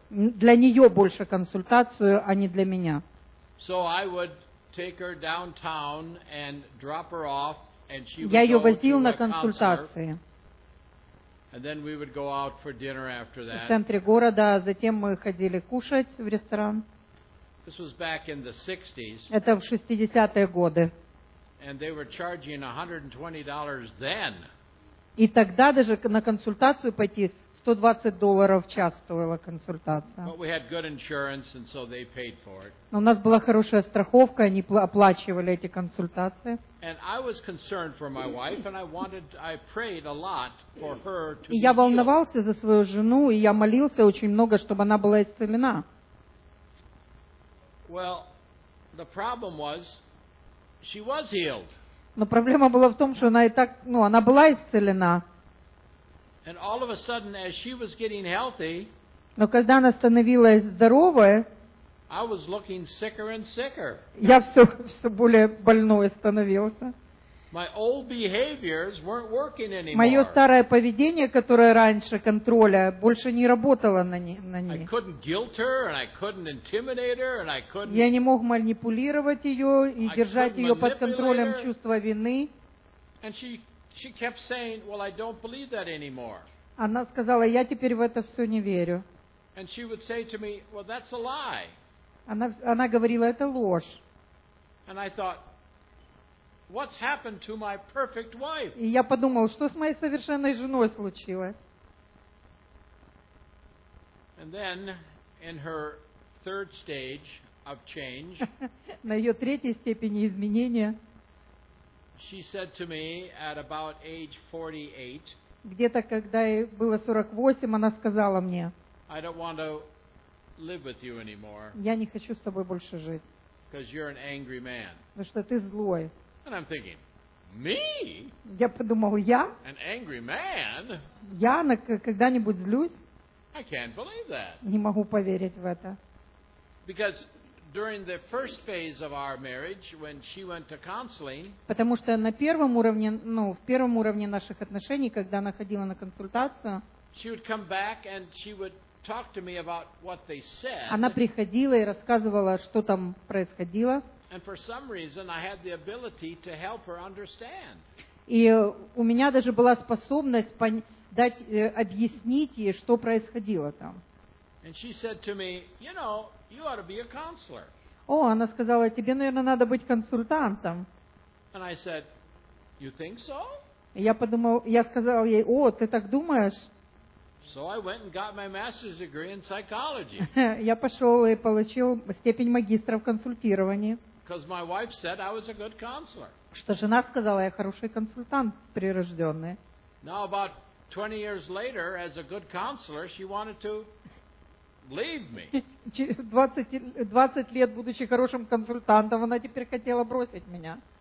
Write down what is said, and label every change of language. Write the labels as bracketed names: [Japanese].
[Russian] Для нее больше консультацию, а не для меня. [English] So I would take her downtown and drop her off, and she would go to a counselor. [Russian] Я ее возил на консультации. [English] And then we would go out for dinner after that. [Russian] В центре города, затем мы ходили кушать в ресторан. [English] This was back in the 60s. [Russian] Это в 60-е годы. [English] And they were charging $120 then. [Russian] И тогда даже на консультацию пойти $120 в час стоила консультация. [English] But we had good insurance, and so they paid for it. [Russian] Но у нас была хорошая страховка, они оплачивали эти консультации. [English] And I was concerned for my wife, and I prayed a lot for her to be healed. [Russian] Я волновался за свою жену, и я молился очень много, чтобы она была исцелена. [English] Well, the problem was, she was healed. [Russian] Но проблема была в том, что она и так, она была исцелена. [English] And all of a sudden, as she was getting healthy, [Russian] но когда она становилась здоровой, [English] I was looking sicker and sicker. [Russian] Я все более больной становился. [English] My old behaviors weren't working anymore. [Russian] Мое старое поведение, которое раньше контроля, больше не работало на ней. [English] I couldn't guilt her, and I couldn't intimidate her, and I couldn't. [Russian] Я не мог манипулировать ее и держать ее под контролем чувства вины. [English] And she kept saying, "Well, I don't believe that anymore." [Russian] Она сказала, я теперь в это все не верю. [English] And she would say to me, "Well, that's a lie." [Russian] Она говорила, это ложь. [English] And I thought, what's happened to my perfect wife? [Russian] И я подумал, что с моей совершенной женой случилось? [English] And then, in her third stage of change, [Russian] на ее третьей степени изменения, [English] she said to me at about age 48, [Russian] где-то когда ей было 48, она сказала мне, [English] I don't want to live with you anymore. [Russian] Я не хочу с тобой больше жить. [English] Because you're an angry man. [Russian] Потому что ты злой. [English] And I'm thinking, me? [Russian] Я подумал, я? [English] An angry man? [Russian] Я когда-нибудь злюсь? [English] I can't believe that. [Russian] Не могу поверить в это. [English] Because during the first phase of our marriage, when she went to counseling, [Russian] потому что на первом уровне, в первом уровне наших отношений, когда она ходила на консультацию, [English] she would come back and she would talk to me about what they said. [Russian] Она приходила и рассказывала, что там происходило. [English] And for some reason, I had the ability to help her understand. [Russian] И у меня даже была способность дать объяснить ей, что происходило там. [English] And she said to me, you know, you ought to be a counselor. [Russian] О, она сказала, тебе, наверное, надо быть консультантом. [English] And I said, you think so? [Russian] Я подумал, я сказал ей, о, ты так думаешь? [English] So I went and got my master's degree in psychology. [Russian] Я пошел и получил степень магистра в консультировании. [English] Because my wife said I was a good counselor. [Russian] Что жена сказала, я хороший консультант прирожденный. [English] Now about 20 years later, as a good counselor, she wanted to leave me. [Russian] 20 лет, будучи хорошим консультантом, она теперь хотела бросить меня.